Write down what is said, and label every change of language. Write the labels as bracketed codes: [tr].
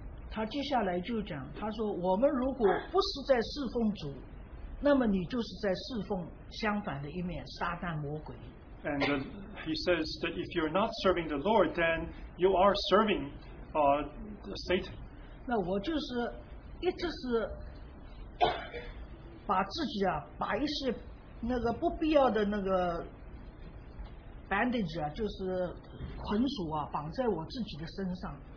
[zh] 他接下来就讲, 他说, 我们如果不是在侍奉主, 那么你就是在侍奉相反的一面, 撒旦魔鬼。 [en] And he says that if you're not serving the Lord, then you are serving Satan. [zh] 那我就是一直是把自己啊, 把一些那个不必要的那个 bandage啊, 就是捆锁啊, 绑在我自己的身上。